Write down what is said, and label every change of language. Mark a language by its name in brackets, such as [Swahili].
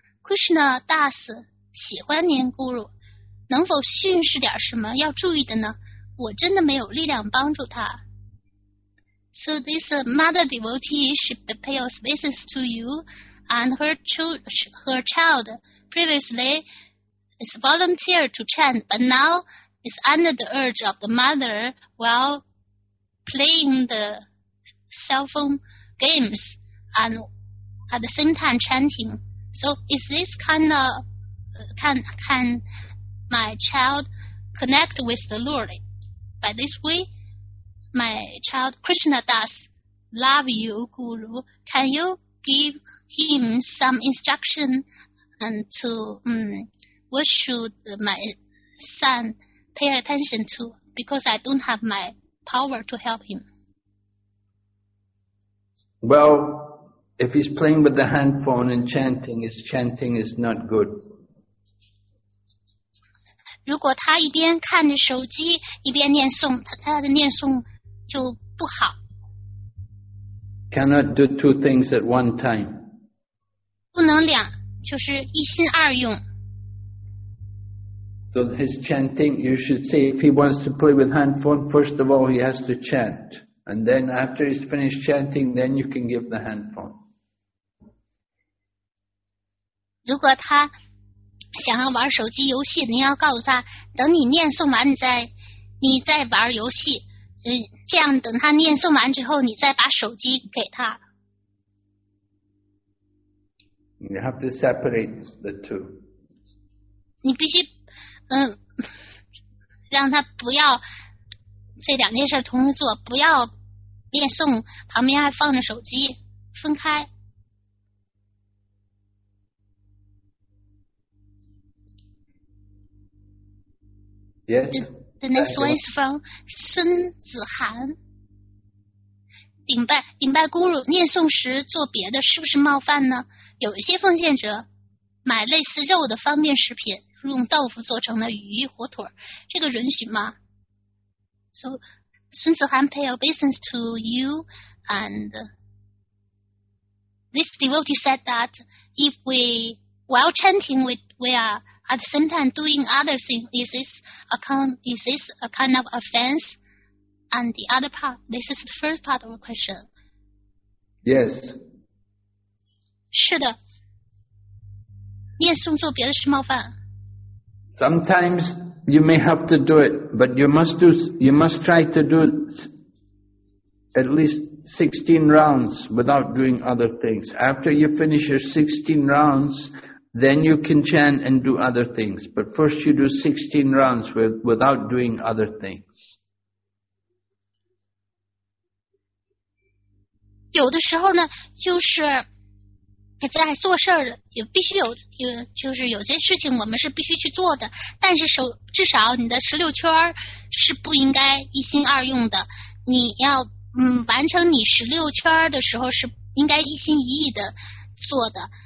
[Chinese] Krishna Das 喜欢念咕噜，能否训示点什么要注意的呢？我真的没有力量帮助他。 [English] So this mother devotee should pay obeisances to you and her child. PreviouslyIs volunteer to chant, but now is under the urge of the mother while playing the cell phone games and at the same time chanting. So is this kind of, can my child connect with the Lord? By this way, my child Krishna does love you, Guru. Can you give him some instruction and to, What should my son pay attention to? Because I don't have my power to help him. Well, if he's playing with the handphone and chanting, his chanting is not good. [Chinese] 如果他一边看着手机一边念诵，他的念诵就不好。 [English] Cannot do two things at one time. [Chinese] 不能两，就是一心二用。 [English] So his chanting, you should say, if he wants to play with handphone, first of all, he has to chant. And then after he's finished chanting, then you can give the handphone. [Chinese] 如果他想要玩手机游戏，你要告诉他，等你念诵完你再玩游戏，这样等他念诵完之后，你再把手机给他。 [English] You have to separate the two. [Chinese] 你必须让他不要这两件事同时做，不要念诵，旁边还放着手机，分开。 [English] Yes. The next one is from 孙子涵。 [Chinese] 顶拜咕噜，念诵时做别的是不是冒犯呢？有一些奉献者买类似肉的方便食品。用豆腐做成了鱼、火腿，这个允许吗？ [English] So, 孙子涵 pay obeisance to you, and this devotee said that if we, while chanting, we are at the same time doing other things, is this a kind of offense? And the other part, this is the first part of the question. Yes. [Chinese] 是的，念诵做别的是冒犯。 [English] Sometimes you may have to do it, but you must try to do at least 16 rounds without doing other things. After you finish your 16 rounds, then you can chant and do other things. But first you do 16 rounds without doing other things. [Chinese] 有的时候呢，就是在做事儿，也必须有，就是有些事情我们是必须去做的。但是至少你的16圈是不应该一心二用的。你要完成你16圈的时候是应该一心一意的做的。